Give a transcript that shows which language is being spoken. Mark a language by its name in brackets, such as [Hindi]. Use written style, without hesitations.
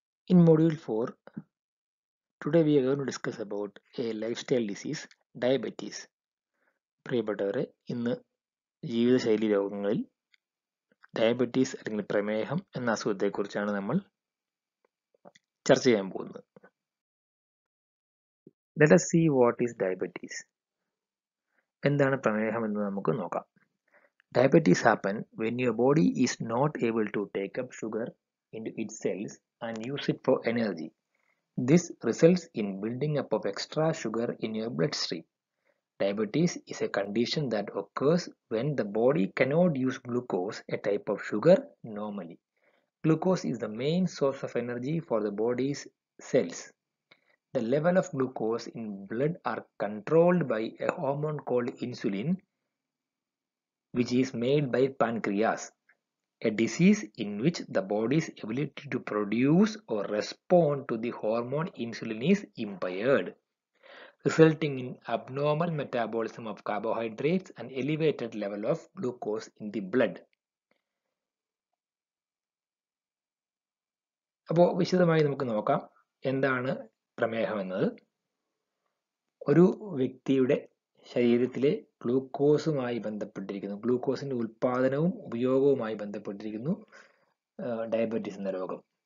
[English] In module 4, today we are going to discuss about a lifestyle disease, diabetes. [Malayalam] പ്രിയപ്പെട്ടവരെ, ഇന്ന് ജീവിതശൈലി രോഗങ്ങളിൽ diabetes അല്ലെങ്കിൽ പ്രമേഹം എന്ന അസുഖത്തെ കുറിച്ചാണ് നമ്മൾ ചർച്ച ചെയ്യാൻ പോകുന്നത്. [English] Let us see what is diabetes. [Malayalam] എന്താണ് പ്രമേഹം എന്ന് നമുക്ക് നോക്കാം. [English] Diabetes happens when your body is not able to take up sugar into its cells and use it for energy. This results in building up of extra sugar in your bloodstream. Diabetes is a condition that occurs when the body cannot use glucose, a type of sugar, normally. Glucose is the main source of energy for the body's cells. The level of glucose in blood are controlled by a hormone called insulin, which is made by pancreas, a disease in which the body's ability to produce or respond to the hormone insulin is impaired, resulting in abnormal metabolism of carbohydrates and elevated level of glucose in the blood. [Malayalam] അപ്പോൾ വിശദമായി നമുക്ക് നോക്കാം എന്താണ് പ്രമേഹം എന്നത്. ഒരു വ്യക്തിയുടെ ശരീരത്തിലെ ഗ്ലൂക്കോസുമായി ബന്ധപ്പെട്ടിരിക്കുന്നു, ഗ്ലൂക്കോസിന്റെ ഉൽപാദനവും ഉപയോഗവുമായി ബന്ധപ്പെട്ടിരിക്കുന്നു ഡയബറ്റീസ് എന്ന രോഗം.